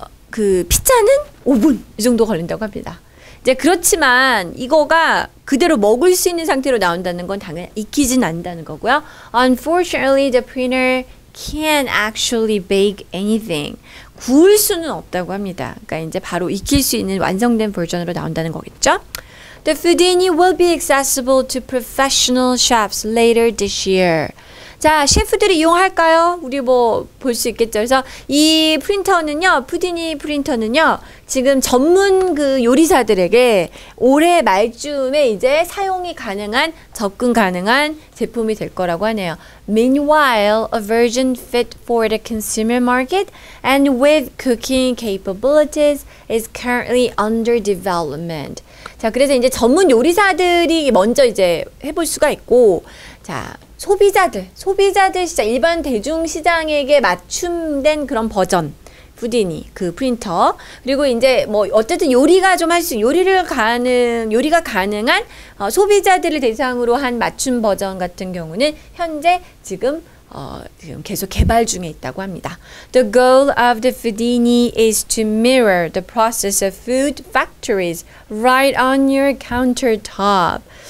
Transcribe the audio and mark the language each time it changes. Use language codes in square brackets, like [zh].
[ko] 그 피자는 5분 이 정도 걸린다고 합니다. 이제 그렇지만 이거가 그대로 먹을 수 있는 상태로 나온다는 건 당연히 익히진 않는다는 거고요. [en] Unfortunately, the printer can't actually bake anything. [ko] 구울 수는 없다고 합니다. 그러니까 이제 바로 익힐 수 있는 완성된 버전으로 나온다는 거겠죠? [en] The Fudini will be accessible to professional chefs later this year. [ko] 자, 셰프들이 이용할까요? 우리 뭐볼수 있겠죠. 그래서 이 프린터는요, 푸디니 프린터는요, 지금 전문 그 요리사들에게 올해 말쯤에 이제 사용이 가능한, 접근 가능한 제품이 될 거라고 하네요. [en] Meanwhile, a version fit for the consumer market and with cooking capabilities is currently under development. [ko] 자, 그래서 이제 전문 요리사들이 먼저 이제 해볼 수가 있고, 자, 소비자들 진짜 일반 대중 시장에게 맞춤된 그런 버전, 푸디니 그 프린터, 그리고 이제 뭐 어쨌든 요리가 좀할수 요리가 가능한 소비자들을 대상으로 한 맞춤 버전 같은 경우는 현재 지금 계속 개발 중에 있다고 합니다. [en] The goal of the Fidini is to mirror the process of food factories right on your countertop.